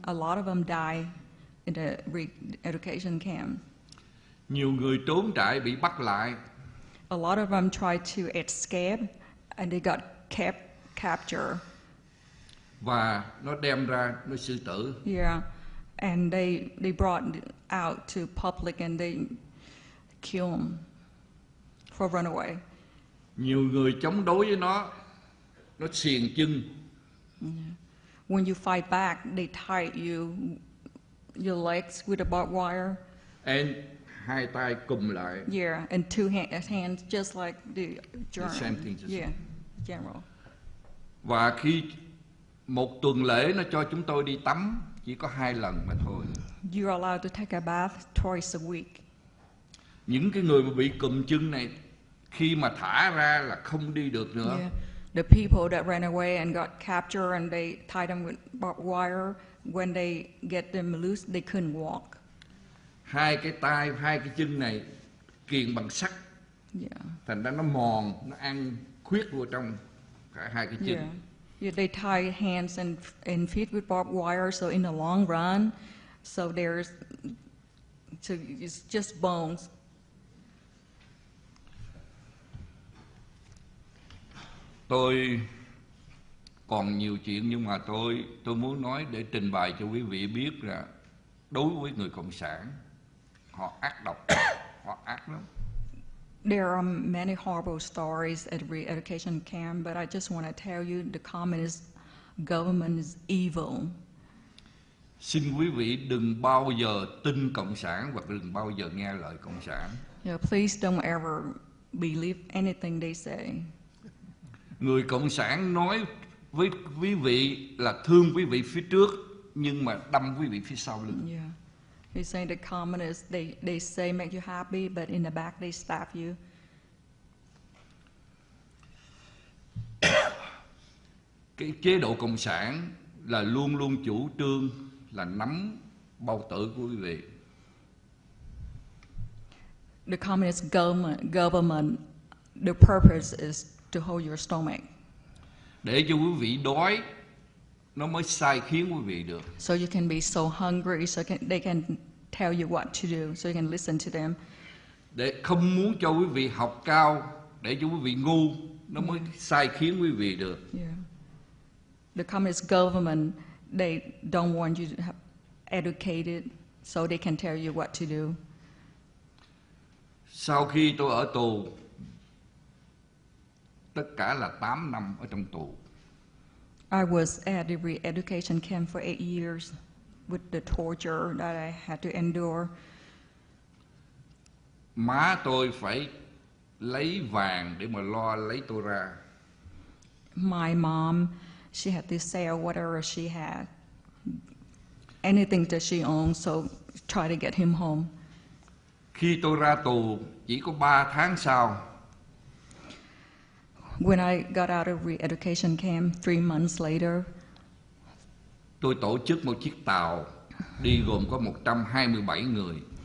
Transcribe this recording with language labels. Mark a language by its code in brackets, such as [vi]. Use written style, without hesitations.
[en] A lot of them die in the re-education camp. [vi] Nhiều người trốn trại bị bắt lại. [en] A lot of them tried to escape and they got captured. [vi] Và nó đem ra nó xử tử. [en] Yeah. And they brought out to public and they killed them for runaway. [vi] Nhiều người chống đối với nó xiềng chân. [en] Yeah. When you fight back, they tie your legs with a barbed wire. And [vi] hai tay cùm lại. [en] Yeah, and two hands just like the German. The same thing. Yeah, general. [vi] Và khi một tuần lễ nó cho chúng tôi đi tắm chỉ có hai lần mà thôi. [en] You're allowed to take a bath twice a week. [vi] Những cái người mà bị cụm chân này khi mà thả ra là không đi được nữa. [en] Yeah. The people that ran away and got captured and they tied them with barbed wire, when they get them loose, they couldn't walk. [vi] Hai cái tay, hai cái chân này kiềng bằng sắt. [en] Yeah. [vi] Thành ra nó mòn, nó ăn khuyết vô trong cả hai cái chân. [en] Yeah. Yeah, they tie hands and feet with barbed wire, so in the long run, so it's just bones. [vi] Tôi còn nhiều chuyện nhưng mà tôi muốn nói để trình bày cho quý vị biết là đối với người cộng sản họ ác độc, họ ác lắm. [en] There are many horrible stories at re-education camp, but I just want to tell you the communist government is evil. [vi] Xin quý vị đừng bao giờ tin cộng sản hoặc đừng bao giờ nghe lời cộng sản. [en] Yeah, please don't ever believe anything they say. [vi] Người cộng sản nói với quý vị là thương quý vị phía trước nhưng mà đâm quý vị phía sau lưng. [en] Yeah. He's saying the communists, they say make you happy, but in the back they stab you. [vi] Cái chế độ cộng sản là luôn luôn chủ trương là nắm bao tử của quý vị. [en] The communist government, the purpose is to hold your stomach. [vi] Để cho quý vị đói, nó mới sai khiến quý vị được. [en] So you can be so hungry, so they can tell you what to do, so you can listen to them. [vi] Để không muốn cho quý vị học cao, để cho quý vị ngu, nó mới sai khiến quý vị được. [en] Yeah. The communist government, they don't want you to have educated, so they can tell you what to do. [vi] Sau khi tôi ở tù, tất cả là 8 năm ở trong tù. [en] I was at the re-education camp for 8 years. With the torture that I had to endure. [vi] Má tôi phải lấy vàng để mà lo lấy tôi ra. [en] My mom, she had to sell whatever she had, anything that she owned, so try to get him home. [vi] Khi tôi ra tù, chỉ có 3 tháng sau. [en] When I got out of re-education camp, 3 months later, [vi] tôi tổ chức một chiếc tàu đi gồm có 127 người.